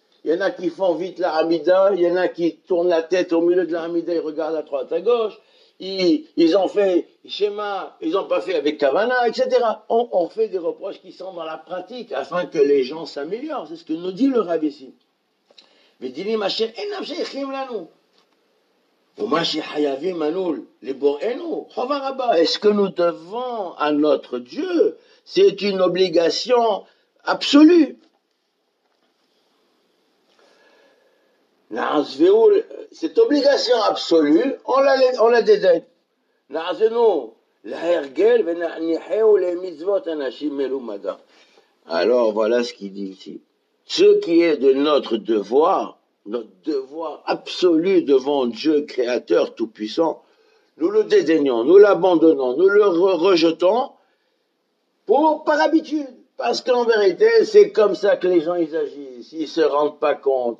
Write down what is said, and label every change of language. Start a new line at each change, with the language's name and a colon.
French: Il y en a qui font vite la Hamida, il y en a qui tournent la tête au milieu de la Hamida, ils regardent à droite, à gauche, ils ont fait schéma, ils n'ont pas fait avec Kavana, etc. On fait des reproches qui sont dans la pratique, afin que les gens s'améliorent. C'est ce que nous dit le Rav ici.
Hebrew: ודינים אשר אינם שייכים לנו. ומה שחייבים אנו לבוראנו, חובה רבה.
French: Est-ce que nous devons à notre Dieu? C'est une obligation absolue.
Hebrew: נעזבו,
French: cette obligation absolue, on la dédaigne.
Hebrew: נעזנו להרגל ונניחהו למצוות אנשים מלומדם.
French: Alors voilà ce qu'il dit ici. Ce qui est de notre devoir absolu devant Dieu Créateur Tout-Puissant, nous le dédaignons, nous l'abandonnons, nous le rejetons pour, par habitude. Parce qu'en vérité, c'est comme ça que les gens ils agissent, ils ne se rendent pas compte.